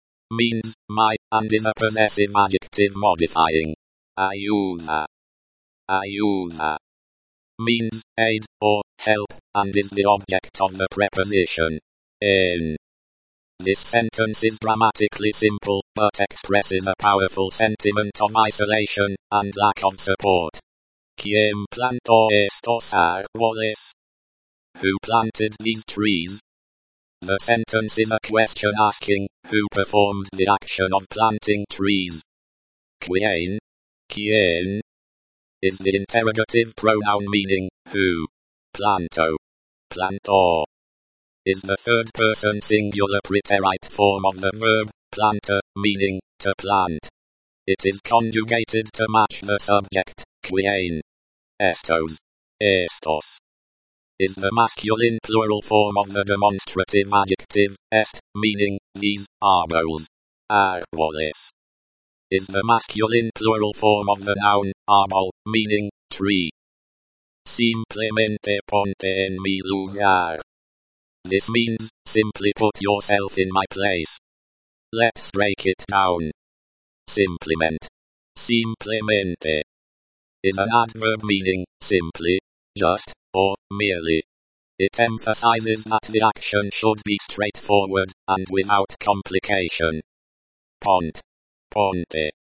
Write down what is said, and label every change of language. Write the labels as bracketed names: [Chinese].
[English] Means, my, and is a possessive adjective modifying. Ayuda. Ayuda. Means, aid, or, help, and is the object of the preposition. In. This sentence is grammatically simple, but expresses a powerful sentiment of isolation, and lack of support. [Spanish] ¿Quién plantó estos árboles? [English] Who planted these trees? The sentence is a question asking, who performed the action of planting trees? ¿Quién? ¿Quién? Is the interrogative pronoun meaning, who? Planto. Planto. Is the third person singular preterite form of the verb, planta, meaning, to plant. It is conjugated to match the subject, quién. Estos. Estos. Is the masculine plural form of the demonstrative adjective, est, meaning, these, árboles. Árboles. Is the masculine plural form of the noun, árbol, meaning, tree. [Spanish] Simplemente ponte en mi lugar. [English] This means, simply put yourself in my place. Let's break it down. Simplement. Simplemente. Is an adverb meaning, simply, just, or, merely. It emphasizes that the action should be straightforward, and without complication. Pont. Ponte.